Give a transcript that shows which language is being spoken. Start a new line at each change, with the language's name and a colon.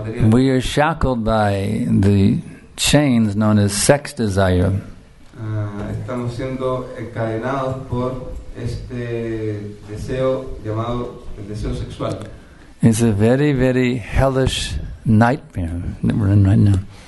English: we are shackled by the chains known as sex desire.
Spanish: Estamos siendo encadenados por este deseo llamado el deseo sexual.
English: It's a very, very hellish nightmare that we're in right now.